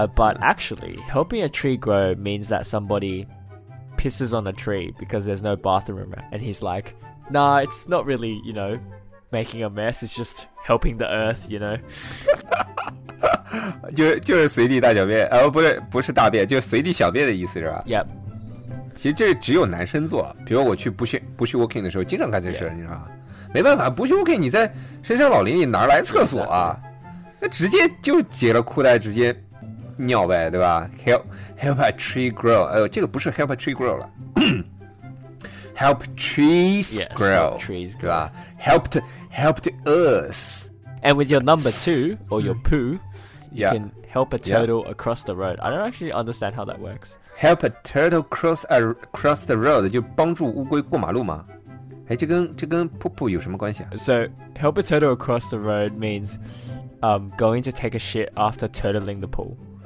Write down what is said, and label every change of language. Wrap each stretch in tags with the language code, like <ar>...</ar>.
<en>But actually, helping a tree grow means that somebody pisses on a tree because there's no bathroom, and he's like, "Nah, it's not really, you know, making a mess. It's just helping the earth, you know."</en> <zh>就是随地大小便、不是大便就是随地小便的意思是吧</zh> <en>Yep</en> <zh>其实这只有男生做比如我去不去 walking 的时候经常干这事、</zh> <en>yeah.</en> <zh>你知道吗没办法不去 walking 你在深山老林里哪来厕所啊那直接就解了裤带直接尿呗对吧</zh> <en>help a tree grow</en> <zh>这个不是 help a tree grow 了</zh> <en>help trees grow, yes, trees grow</en> <zh>对吧</zh> <en>helped us and with your number two or your poo Yeah. You can help a turtle yeah. across the road. I don't actually understand how that works. Help a turtle cross the road</en> <zh>就帮助乌龟过马路吗？哎，这跟噗噗有什么关系啊？</zh> <en>So help a turtle across the road means, going to take a shit after turtling the poo.</en>